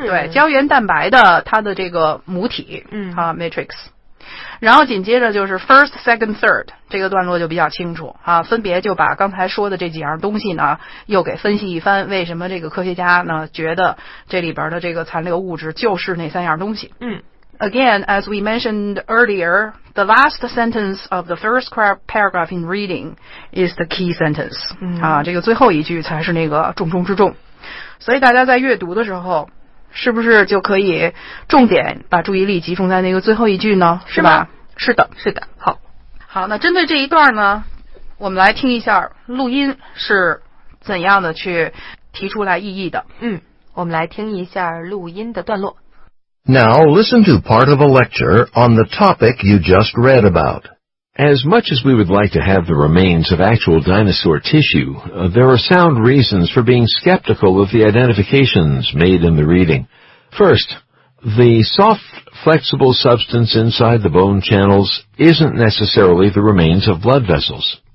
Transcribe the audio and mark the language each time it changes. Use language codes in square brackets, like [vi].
[zh] 对，胶原蛋白的它的这个母体，matrix。然后紧接着就是 first, second, third 这个段落就比较清楚啊，分别就把刚才说的这几样东西呢又给分析一番，为什么这个科学家呢觉得这里边的这个残留物质就是那三样东西。 [en] Again, as we mentioned earlier, the last sentence of the first paragraph in reading is the key sentence. [zh] 啊，这个最后一句才是那个重中之重。所以大家在阅读的时候是不是就可以重点把注意力集中在那个最后一句呢？是吧？是的，是的。好，好，那针对这一段呢，我们来听一下录音是怎样的去提出来异议的。我们来听一下录音的段落。 [en] Now listen to part of a lecture on the topic you just read about. As much as we would like to have the remains of actual dinosaur tissue, there are sound reasons for being skeptical of the identifications made in the reading. First, the soft, flexible substance inside the bone channels isn't necessarily the remains of blood vessels.